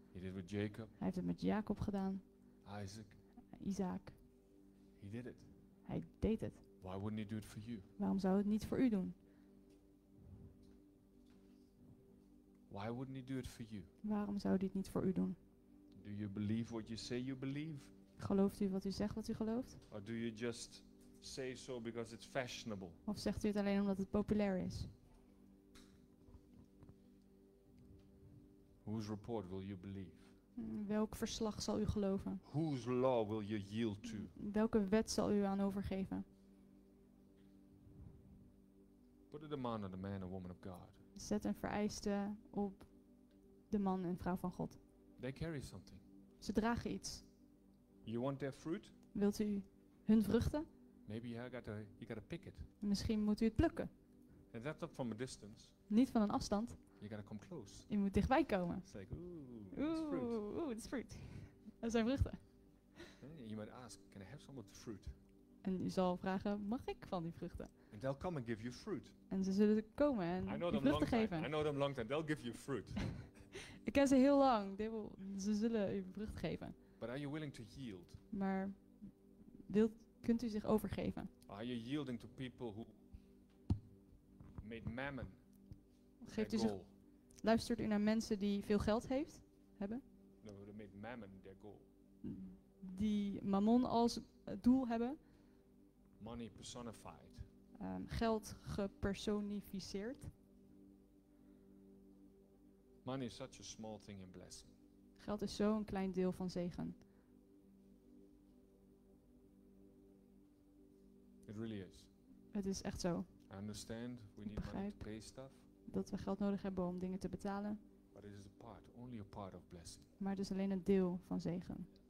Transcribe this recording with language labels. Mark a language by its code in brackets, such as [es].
[en] He did it with Jacob. [nl] Hij heeft het met Jacob gedaan. [en] Isaac. [nl] Isaac. [en] He did it. [nl] Hij deed het. [en] Why wouldn't he do it for you? [nl] Waarom zou het niet voor u doen? [en] Why wouldn't he do it for you? [nl] Waarom zou hij het niet voor u doen? [en] Do you believe what you say you believe? [nl] Gelooft u wat u zegt wat u gelooft? [en] Or do you just say so because it's fashionable? [nl] Of zegt u het alleen omdat het populair is? [en] Whose report will you believe? [nl] Welk verslag zal u geloven? [en] Whose law will you yield to? [nl] Welke wet zal u aan overgeven? [en] Put a demand on the man and woman of God. [nl] Zet een vereiste op de man en vrouw van God. [en] They carry something. [nl] Ze dragen iets. [en] You want their fruit? [nl] Wilt u hun vruchten? [en] Maybe you gotta pick it. [nl] Misschien moet u het plukken. [en] And that's not from a distance. [nl] Niet van een afstand. [en] You gotta come close. [nl] Je moet dichtbij komen. [en] It's like, ooh, [nl] ooh, [en] it's fruit. [nl] Dat zijn vruchten. [en] You might ask, can I have some of the fruit? [nl] En u zal vragen, mag ik van die vruchten? [en] And they'll come and give you fruit. [nl] En ze zullen komen en die vruchten geven. [en] I know them long time. They'll give you fruit. [nl] Ik ken ze heel lang. Ze zullen u vrucht geven. [en] But are you willing to yield? [nl] Maar kunt u zich overgeven? [en] Are you yielding to people who made mammon? [nl] Geeft u zich, luistert u naar mensen die veel geld hebben? [en] No, they made mammon their goal. [nl] Die mammon als doel hebben? [en] Money personified. [nl] Geld gepersonificeerd. [en] Money is such a small thing in blessing. [nl] Geld is zo'n klein deel van zegen. [en] It really is. [nl] Het is echt zo. [en] I understand we need money to pay stuff. [nl] Dat we geld nodig hebben om dingen te betalen. [en] But it is a part, only a part of blessing. [nl] Maar het is alleen een deel van zegen.